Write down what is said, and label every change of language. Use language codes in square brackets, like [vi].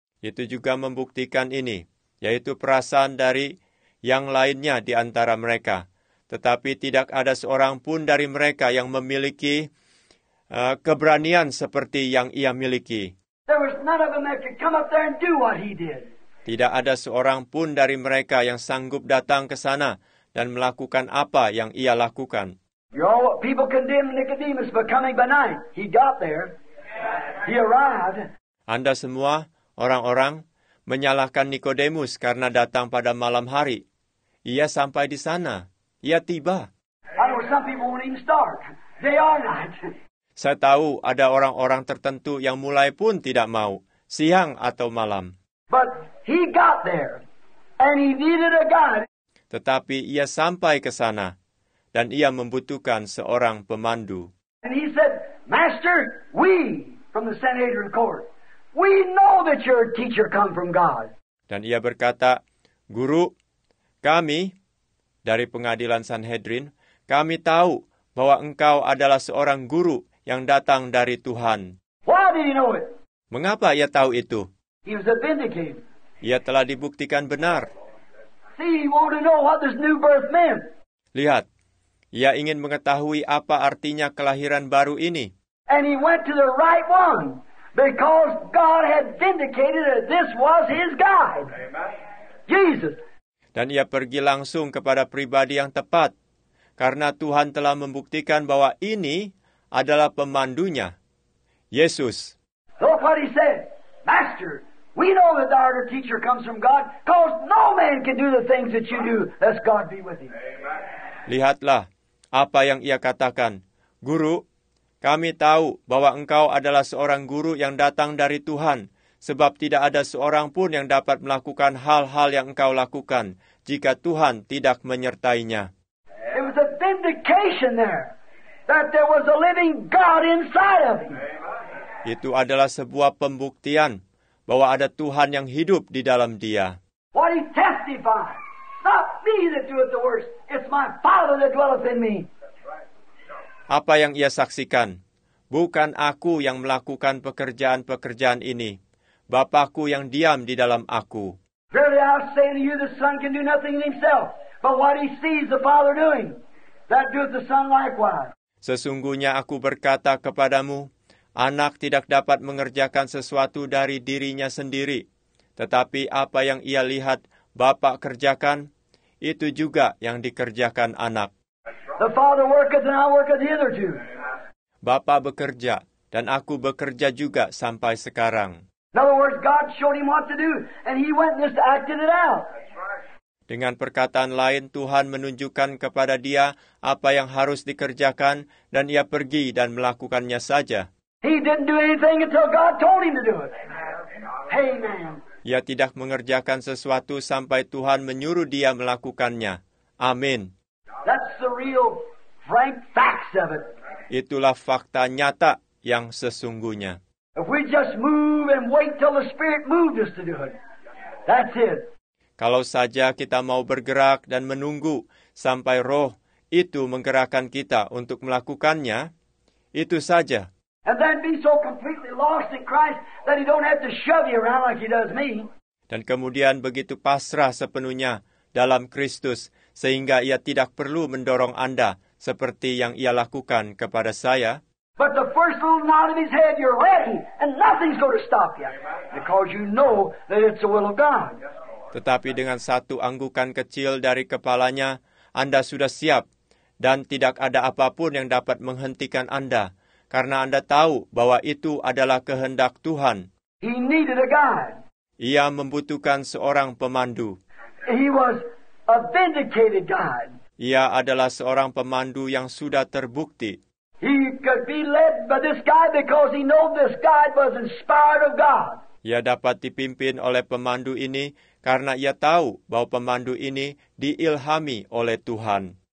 [id] Itu juga membuktikan ini, yaitu perasaan dari yang lainnya di antara mereka. Tetapi tidak ada seorang pun dari mereka yang memiliki keberanian seperti yang ia miliki. [en] There was none of them that could come up there and do what he did. [id] Tidak ada seorang pun dari mereka yang sanggup datang ke sana dan melakukan apa yang ia lakukan. [en] People condemned Nicodemus for coming by night. He got there. He arrived. [id] Anda semua, orang-orang, menyalahkan Nicodemus karena datang pada malam hari. Ia sampai di sana. Ia tiba. [en] I know some people won't even start. They are not. [id] Saya tahu ada orang-orang tertentu yang mulai pun tidak mau, siang atau malam. [en] But he got there, and he needed a guide. [id] Tetapi ia sampai ke sana, dan ia membutuhkan seorang pemandu. [en] And he said, Master, we from the Sanhedrin court, we know that your teacher come from God. [id] Dan ia berkata, Guru, kami dari pengadilan Sanhedrin, kami tahu bahwa engkau adalah seorang guru yang datang dari Tuhan. [en] Why did he know it? [id] Mengapa ia tahu itu? [en] He was vindicated. [id] Ia telah dibuktikan benar. [en] See, he wanted to know what this new birth meant. [id] Lihat, ia ingin mengetahui apa artinya kelahiran baru ini. [en] And he went to the right one because God had vindicated that this was his guide. Amen. Jesus. [id] Dan ia pergi langsung kepada pribadi yang tepat karena Tuhan telah membuktikan bahwa ini adalah pemandunya, Yesus. [en] So what he said, Master, we know that our teacher comes from God, because no man can do the things that you do, lest God be with you. Amen. [id] Lihatlah apa yang ia katakan. Guru, kami tahu bahwa engkau adalah seorang guru yang datang dari Tuhan, sebab tidak ada seorang pun yang dapat melakukan hal-hal yang engkau lakukan, jika Tuhan tidak menyertainya. [en] It was a vindication there. That there was a living God inside of him. [id] Itu adalah sebuah pembuktian bahwa ada Tuhan yang hidup di dalam dia. [en] What he testified, not me that doeth the works, it's my Father that dwelleth in me. [id] Apa yang ia saksikan? Bukan aku yang melakukan pekerjaan-pekerjaan ini, Bapa-Ku yang diam di dalam aku. [en] Verily I say to you, the Son can do nothing in himself, but what he sees the Father doing, that doeth the Son likewise. [id] Sesungguhnya aku berkata kepadamu, anak tidak dapat mengerjakan sesuatu dari dirinya sendiri, tetapi apa yang ia lihat Bapa kerjakan, itu juga yang dikerjakan anak. [en] The Father worketh and I worketh hitherto. [id] Bapa bekerja dan aku bekerja juga sampai sekarang. [en] In other words, God showed him what to do, and he went and just acted it out. [id] Dengan perkataan lain, Tuhan menunjukkan kepada dia apa yang harus dikerjakan, dan ia pergi dan melakukannya saja. [en] He didn't do anything until God told him to do it. Amen. [id] Ia tidak mengerjakan sesuatu sampai Tuhan menyuruh dia melakukannya. Amin. [en] That's the real, frank facts of it. [id] Itulah fakta nyata yang sesungguhnya. [en] If we just move and wait till the Spirit moves us to do it, that's it. [id] Kalau saja kita mau bergerak dan menunggu sampai Roh itu menggerakkan kita untuk melakukannya, itu saja. [en] And then be so completely lost in Christ that he don't have to shove you around like he does me. [id] Dan kemudian begitu pasrah sepenuhnya dalam Kristus sehingga ia tidak perlu mendorong Anda seperti yang ia lakukan kepada saya. [en] But the first little nod of his head, you're ready, and nothing's going to stop you, because you know that it's the will of God. [id] Tetapi dengan satu anggukan kecil dari kepalanya, Anda sudah siap, dan tidak ada apapun yang dapat menghentikan Anda, karena Anda tahu bahwa itu adalah kehendak Tuhan. [en] He needed a guide. [id] Ia membutuhkan seorang pemandu. [en] He was a vindicated guide. [id] Ia adalah seorang pemandu yang sudah terbukti. [en] He could be led by this guide because he knew this guide was inspired of God. [id] Ia dapat dipimpin oleh pemandu ini karena ia tahu bahwa pemandu ini diilhami oleh Tuhan.